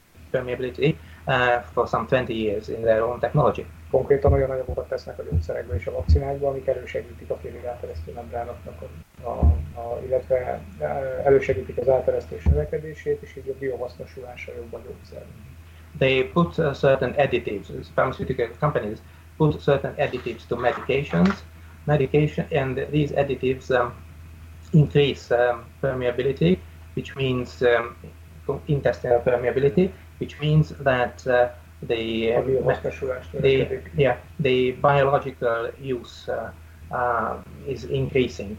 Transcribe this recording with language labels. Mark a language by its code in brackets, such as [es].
[en] Permeability for some 20 years in their own technology. [hu] Konkrétan olyan anyagokat tesznek a gyógyszerekbe és a vakcinákba, amik elősegítik a félig átteresztő membránoknak, illetve elősegítik az átteresztés növekedését, és így a biohasznosulása jobb a gyógyszernek. [en] They put certain additives, pharmaceutical companies put certain additives to medication, and these additives increase permeability, which means intestinal permeability, which means that the biological use is increasing.